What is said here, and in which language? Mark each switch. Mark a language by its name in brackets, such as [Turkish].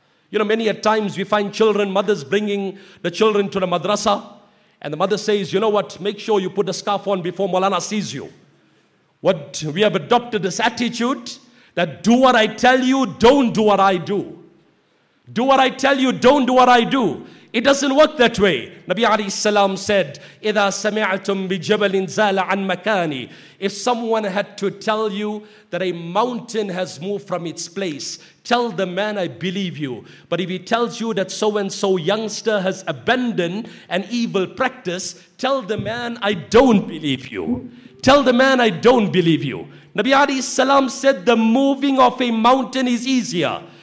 [English] You know, many a times we find children, mothers bringing the children to the madrasa, and the mother says, you know what, make sure you put the scarf on before Maulana sees you. What we have adopted this attitude that do what I tell you, don't do what I do. Do what I tell you, don't do what I do. It doesn't work that way. [Arabic] Nabi alayhi salam said, إِذَا سَمِعْتُمْ بِجَبَلٍ زَالَ عَنْ مَكَانِي. [English] If someone had to tell you that a mountain has moved from its place, tell the man, I believe you. But if he tells you that so-and-so youngster has abandoned an evil practice, tell the man, I don't believe you. Tell the man, I don't believe you. Nabi alayhi salam said, the moving of a mountain is easier.